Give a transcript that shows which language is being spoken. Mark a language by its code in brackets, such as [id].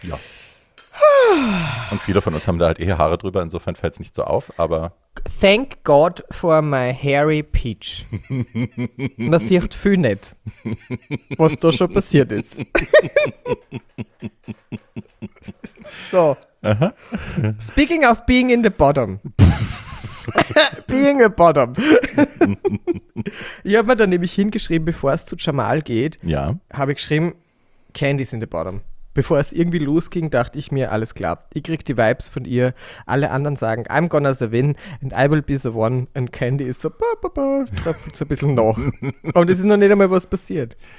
[de] Ja. Und viele von uns haben da halt eh Haare drüber, insofern fällt es nicht so auf, aber... [en] Thank God for my hairy peach. [de] Man sieht viel nicht, was da schon passiert ist. So. Aha. [en] Speaking of being in the bottom. Being a bottom. [de] Ich habe mir da nämlich hingeschrieben, bevor es zu Jamal geht, ja, habe ich geschrieben, [en] Candy's in the bottom. [de] Bevor es irgendwie losging, dachte ich mir, alles klar, ich krieg die Vibes von ihr. Alle anderen sagen, [en] I'm gonna the win and I will be the one. And [de] Candy ist so, bah, bah, bah, tröpfelt so ein bisschen noch. Und es ist noch nicht einmal was passiert.